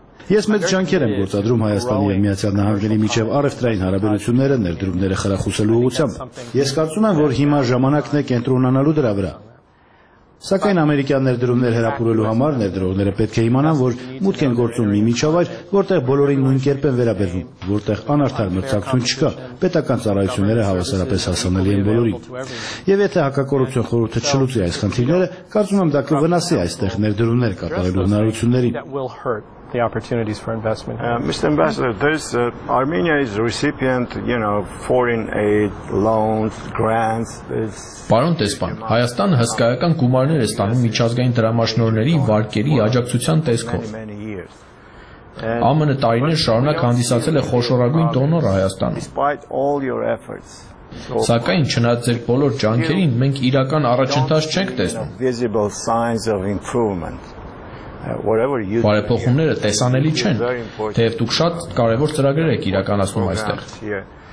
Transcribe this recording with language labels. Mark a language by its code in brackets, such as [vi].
[hy] Ես մեծ ջանքեր եմ գործադրում Հայաստանի եւ Միացյալ Նահանգների միջև առևտրային հարաբերությունները ներդրումները խրախուսելու ուղղությամբ։ Ես կարծում եմ, որ հիմա ժամանակն է կենտրոնանալու դրա վրա։ Սակայն ամերիկյան ներդրումներ հրապուրելու համար ներդրողները պետք է իմանան, որ մուտք են գործում մի միջավայր, որտեղ բոլորին նույն կերպ են վերաբերվում, որտեղ անարդար մրցակցություն չկա, պետական ծառայությունները հավասարապես հասանելի են բոլորին։ Եվ եթե հակակոռուպցիոն խորհուրդը չլուծի այս խնդիրները, կարծում եմ, դա կվնասի այստեղ ներդրումներ կատարելու հնարավորություններին։ [en] The opportunities for investment. Mr. Ambassador, there's Armenia is recipient, you know, foreign aid, loans, grants. [hy] Պարոն Տեսպան, Հայաստանը հսկայական գումարներ է ստանում միջազգային դրամաշնորհների վարկերի աջակցության տեսքով։ ԱՄՆ տարիներ շարունակ հանդիսացել է խոշորագույն դոնոր Հայաստանում։ Սակայն չնայած ձեր բոլոր ջանքերին, մենք իրական առաջընթաց չենք տեսնում։ Բարեփոխումները տեսանելի չեն, թեև դուք շատ կարևոր ծրագրեր եք իրականացնում այստեղ։